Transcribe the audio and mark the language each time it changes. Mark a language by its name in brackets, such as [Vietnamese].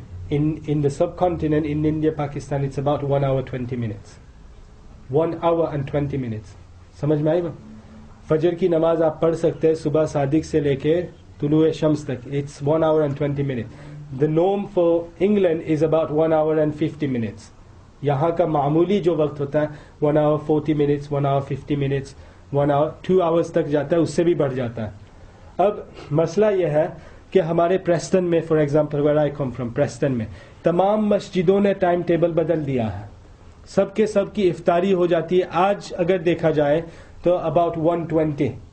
[English] In the subcontinent, in India, Pakistan, it's about 1 hour 20 minutes. 1 hour and 20 minutes. [Hindi] समझ में आई बात? फजर की नमाज आप पढ़ सकते हैं सुबह सादिक से लेके तुलुए शम्स तक, [English] It's 1 hour and 20 minutes. The norm for England is about 1 hour and 50 minutes. [Hindi] यहाँ का मामूली जो वक्त होता है 1 hour 40 minutes, 1 hour 50 minutes, 1 hour 2 hours तक जाता है, उससे भी बढ़ जाता है। अब मसला यह है कि हमारे प्रेस्टन में, [English] for example where I come from, [Hindi] Preston में तमाम मस्जिदों ने टाइम टेबल बदल दिया है, सबके सब की इफ्तारी हो जाती है आज अगर देखा जाए तो अबाउट 1:20